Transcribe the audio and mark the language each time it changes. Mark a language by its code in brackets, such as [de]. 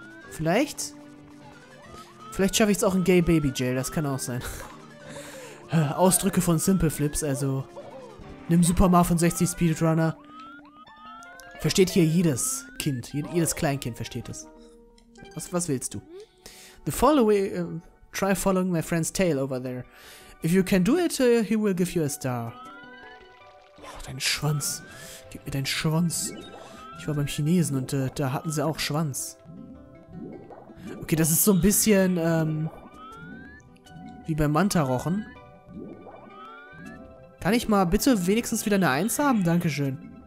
[de] Vielleicht. Vielleicht schaffe ich es auch in Gay Baby Jail, das kann auch sein. Ausdrücke von Simple Flips, also. Nimm Super Marvin 60 Speedrunner. Versteht hier jedes Kind, jedes Kleinkind versteht es. Was willst du? [en] The following. Try following my friend's tail over there. If you can do it, he will give you a star. [de] Oh, dein Schwanz. Gib mir deinen Schwanz. Ich war beim Chinesen und da hatten sie auch Schwanz. Okay, das ist so ein bisschen wie beim Manta-Rochen. Kann ich mal bitte wenigstens wieder eine 1 haben? Dankeschön.